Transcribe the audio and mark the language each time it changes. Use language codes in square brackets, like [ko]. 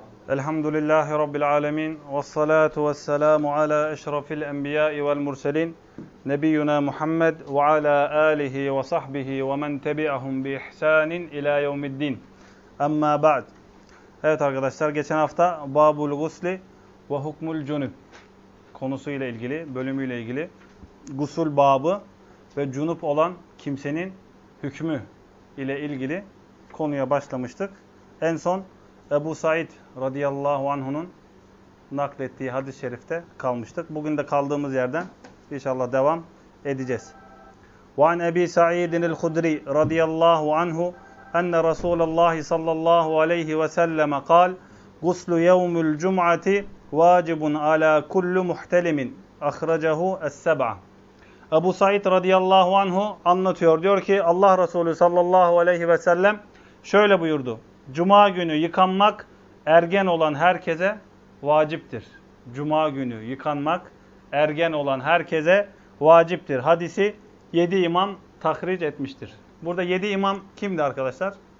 [ar] الحمد لله رب العالمين والصلاة والسلام على أشرف الأنبياء والمرسلين نبينا محمد وعلى آله وصحبه ومن تبعهم بإحسان إلى يوم الدين أما بعد. [tr] Evet arkadaşlar, geçen hafta Babul Gusli ve Hukmul Cunub konusuyla ilgili, bölümüyle ilgili gusul babı ve cunub olan kimsenin hükmü ile ilgili konuya başlamıştık. En son Ebu Said radıyallahu anh'unun naklettiği hadis-i şerifte kalmıştık. Bugün de kaldığımız yerden inşallah devam edeceğiz. [ar] وَعَنْ أَبِي سَعِيدٍ الْخُدْرِي رَضِيَ اللّٰهُ عَنْهُ اَنَّ رَسُولَ اللّٰهِ صَلَّى اللّٰهُ عَلَيْهِ وَسَلَّمَ قَالْ غُسْلُ يَوْمُ الْجُمْعَةِ وَاجِبٌ عَلَى كُلُّ مُحْتَلِمٍ اَخْرَجَهُ السَّبْعَ [tr] Ebu Said radıyallahu anh'u anlatıyor. Diyor ki Allah Resulü sallallahu aleyhi ve sellem şöyle buyurdu. Cuma günü yıkanmak ergen olan herkese vaciptir. Cuma günü yıkanmak ergen olan herkese vaciptir. Hadisi 7 imam tahric etmiştir. Burada 7 imam kimdi arkadaşlar?